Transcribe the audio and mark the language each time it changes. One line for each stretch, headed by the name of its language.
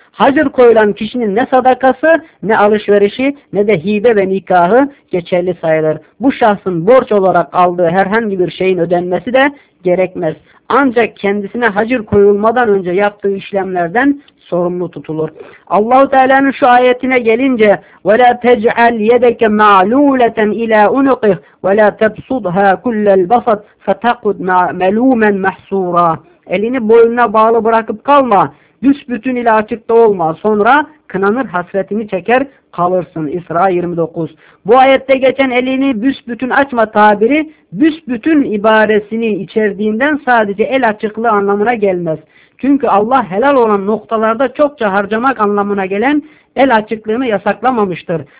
Turkish: Hacır koyulan kişinin ne sadakası ne alışverişi ne de hibe ve nikahı geçerli sayılır. Bu şahsın borç olarak aldığı herhangi bir şeyin ödenmesi de gerekmez. Ancak kendisine hacır koyulmadan önce yaptığı işlemlerden sorumlu tutulur. Allah-u Teala'nın şu ayetine gelince
Arabic: وَلَا تَجْعَلْ يَدَكَ مَعْلُولَةً اِلَى اُنُقِهِ وَلَا تَبْصُدْهَا كُلَّ الْبَصَدْ فَتَقُدْ مَلُومًا مَحْسُورًا
Turkish: Elini boynuna bağlı bırakıp kalma. Büsbütün ile açıkta olma. Sonra kınanır hasretini çeker kalırsın. İsra 29. Bu ayette geçen elini büsbütün açma tabiri büsbütün ibaresini içerdiğinden sadece el açıklığı anlamına gelmez. Çünkü Allah helal olan noktalarda çokça harcamak anlamına gelen el açıklığını yasaklamamıştır.